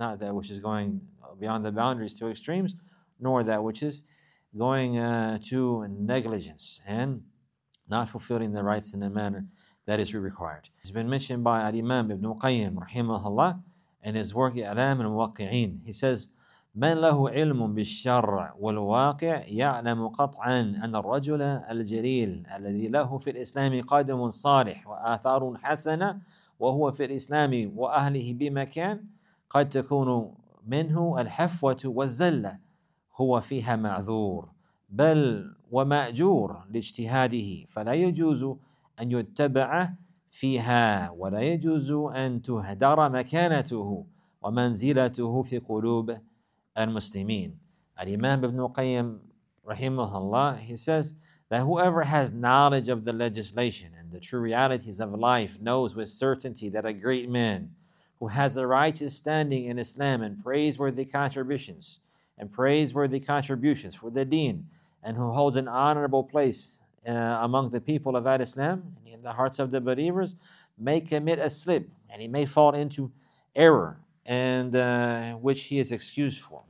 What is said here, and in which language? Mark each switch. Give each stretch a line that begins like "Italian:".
English: Not that which is going beyond the boundaries to extremes, nor that which is going to negligence and not fulfilling the rights in the manner that is required. It's been mentioned by Al-Imam Ibn Qayyim rahimahullah in his work I'lam al-Waqi'in. He says,
Arabic: مَنْ لَهُ عِلْمٌ بِالشَّرَّ وَالْوَاقِعِ يَعْلَمُ قَطْعًا أَنَّ الرَّجُلَ الْجَلِيلَ الَّذِي لَهُ فِي الْإِسْلَامِ قَدَمٌ صَالِحٌ وَآثَارٌ حَسَنَةٌ وَهُوَ فِي الْإِسْلَامِ وَأَهْلِهِ بِمَكَانٍ قَدْ تَكُونُ مِنْهُ الْحَفْوَةُ وَالزَّلَّةُ هو فيها معذور بل ومأجور لاجتهاده فلا يجوز أن يتبع فيها ولا يجوز أن تهدر مكانته ومنزلته في قلوب المسلمين.
English: الإمام ابن قيم رحمه الله, he says that whoever has knowledge of the legislation and the true realities of life knows with certainty that a great man who has a righteous standing in Islam and praiseworthy contributions for the deen, and who holds an honorable place among the people of Al-Islam, in the hearts of the believers, may commit a slip, and he may fall into error, and which he is excused for.